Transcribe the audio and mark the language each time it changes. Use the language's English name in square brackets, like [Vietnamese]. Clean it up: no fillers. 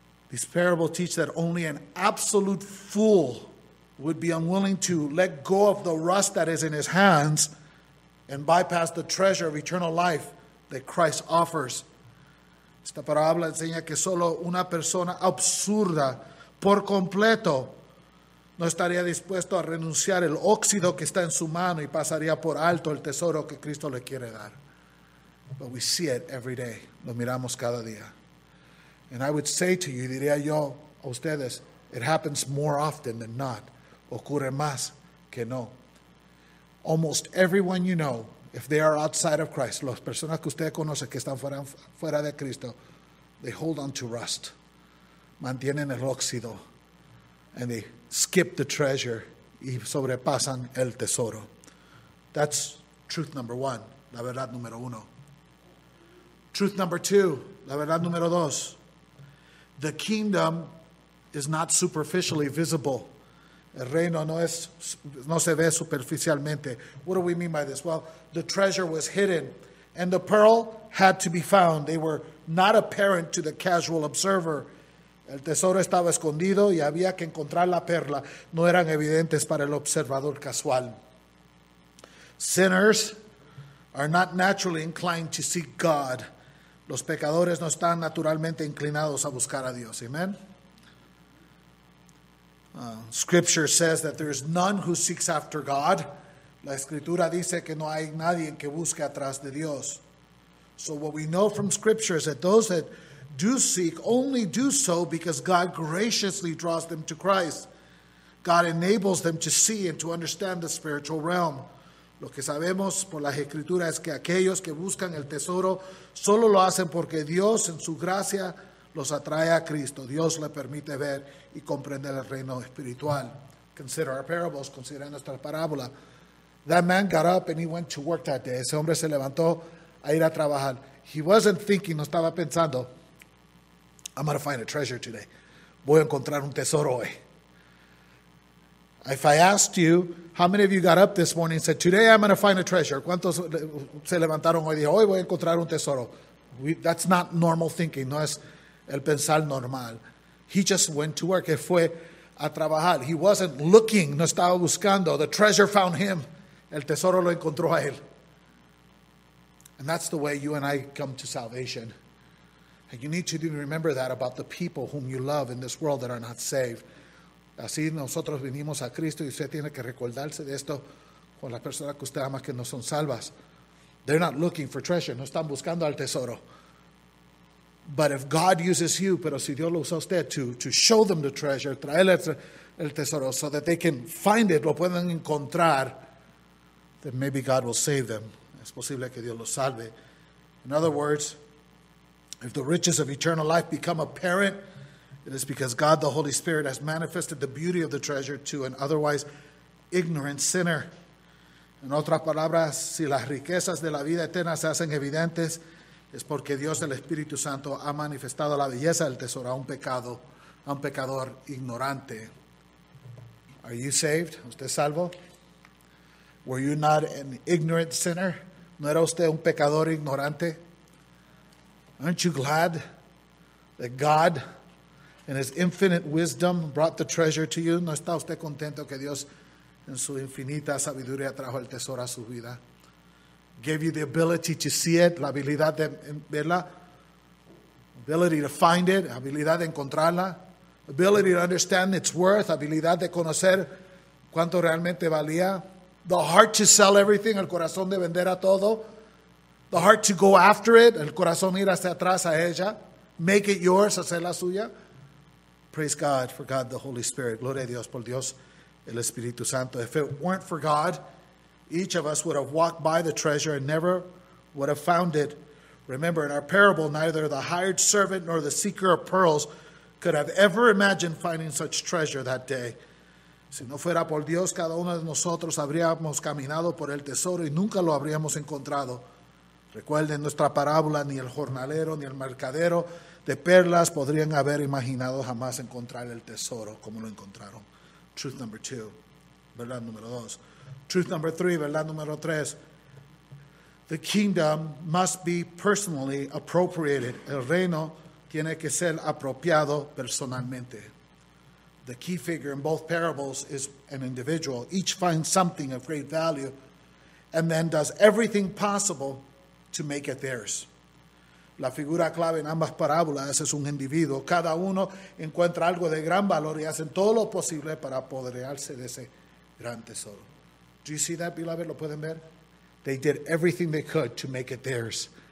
[English] These parables teach that only an absolute fool would be unwilling to let go of the rust that is in his hands and bypass the treasure of eternal life that Christ offers. [Spanish] Esta parábola enseña que solo una persona absurda por completo no estaría dispuesto a renunciar el óxido que está en su mano y pasaría por alto el tesoro que Cristo le quiere dar. [English] But we see it every day. [Spanish] Lo miramos cada día. [English] And I would say to you, [Spanish] diría yo a ustedes, [English] it happens more often than not. [Spanish] Ocurre más que no. [English] Almost everyone you know, if they are outside of Christ, [Spanish] las personas que usted conoce que están fuera de Cristo, [English] they hold on to rust. [Spanish] Mantienen el óxido. [English] And they skip the treasure [Spanish] y sobrepasan el tesoro. [English] That's truth number one, [Spanish] la verdad número uno. [English] Truth number two, [Spanish] la verdad número dos. [English] The kingdom is not superficially visible. [Spanish] El reino no se ve superficialmente. [English] What do we mean by this? Well, the treasure was hidden and the pearl had to be found. They were not apparent to the casual observer. [Spanish] El tesoro estaba escondido y había que encontrar la perla. No eran evidentes para el observador casual. [English] Sinners are not naturally inclined to seek God. [Spanish] Los pecadores no están naturalmente inclinados a buscar a Dios. [English] Amen. Scripture says that there is none who seeks after God. [Spanish] La escritura dice que no hay nadie que busque atrás de Dios. [English] So what we know from Scripture is that those that do seek only do so because God graciously draws them to Christ. God enables them to see and to understand the spiritual realm. [Spanish] Lo que sabemos por las escrituras es que aquellos que buscan el tesoro solo lo hacen porque Dios en su gracia los atrae a Cristo. Dios le permite ver y comprender el reino espiritual. [English] Consider our parables, [Spanish] considera nuestra parábola. [English] That man got up and he went to work that day. [Spanish] Ese hombre se levantó a ir a trabajar. [English] He wasn't thinking, [Spanish] no estaba pensando, [English] I'm going to find a treasure today. [Spanish] Voy a encontrar un tesoro hoy. [English] If I asked you, how many of you got up this morning and said, today I'm going to find a treasure? [Spanish] ¿Cuántos se levantaron hoy y dijeron, hoy voy a encontrar un tesoro? [English] That's not normal thinking. [Spanish] No es el pensar normal. [English] He just went to work. [Spanish] Él fue a trabajar. [English] He wasn't looking. [Spanish] No estaba buscando. [English] The treasure found him. [Spanish] El tesoro lo encontró a él. [English] And that's the way you and I come to salvation. And you need to remember that about the people whom you love in this world that are not saved. [Spanish] Así nosotros vinimos a Cristo y usted tiene que recordarse de esto con las personas que usted ama que no son salvas. [English] They're not looking for treasure. [Spanish] No están buscando al tesoro. [English] But if God uses you, [Spanish] pero si Dios lo usa usted [English] to show them the treasure, [Spanish] traerle el tesoro [English] so that they can find it, [Spanish] lo pueden encontrar, [English] then maybe God will save them. [Spanish] Es posible que Dios lo salve. [English] In other words, if the riches of eternal life become apparent, it is because God, the Holy Spirit, has manifested the beauty of the treasure to an otherwise ignorant sinner. [Spanish] En otras palabras, si las riquezas de la vida eterna se hacen evidentes, es porque Dios, el Espíritu Santo, ha manifestado la belleza del tesoro a un pecador ignorante. [English] Are you saved? ¿Usted salvo? Were you not an ignorant sinner? [Spanish] ¿No era usted un pecador ignorante? [English] Aren't you glad that God, in his infinite wisdom, brought the treasure to you? [Spanish] ¿No está usted contento que Dios, en su infinita sabiduría, trajo el tesoro a su vida? [English] Gave you the ability to see it, [Spanish] la habilidad de verla, [English] ability to find it, [Spanish] habilidad de encontrarla, [English] ability to understand its worth, [Spanish] habilidad de conocer cuánto realmente valía, [English] the heart to sell everything, [Spanish] el corazón de vender a todo, [English] the heart to go after it, [Spanish] el corazón ir hacia atrás a ella, [English] make it yours, [Spanish] hacerla suya. [English] Praise God for God the Holy Spirit. [Spanish] Gloria a Dios por Dios el Espíritu Santo. [English] If it weren't for God, each of us would have walked by the treasure and never would have found it. Remember, in our parable, neither the hired servant nor the seeker of pearls could have ever imagined finding such treasure that day. [Spanish] Si no fuera por Dios, cada uno de nosotros habríamos caminado por el tesoro y nunca lo habríamos encontrado. Recuerden nuestra parábola, ni el jornalero ni el mercadero de perlas podrían haber imaginado jamás encontrar el tesoro como lo encontraron. [English] Truth number two, [Spanish] verdad número dos. [English] Truth number three, [Spanish] verdad número tres. [English] The kingdom must be personally appropriated. [Spanish] El reino tiene que ser apropiado personalmente. [English] The key figure in both parables is an individual. Each finds something of great value and then does everything possible to make it theirs. [Spanish] La figura clave en ambas parábolas es un individuo. Cada uno encuentra algo de gran valor y hacen todo lo posible para apoderarse de ese gran tesoro. [English] Do you see that, beloved? [Spanish] ¿Lo pueden ver? [English] They did everything they could to make it theirs.